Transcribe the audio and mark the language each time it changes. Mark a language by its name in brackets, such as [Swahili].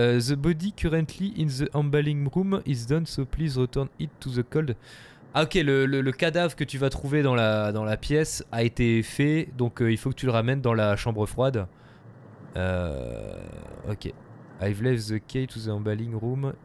[English] The body currently in the emballing room is done, so please return it to the cold. [French] Ah, ok, le cadavre que tu vas trouver dans la pièce a été fait, donc il faut que tu le ramènes dans la chambre froide. Ok. [English] I've left the key to the emballing room.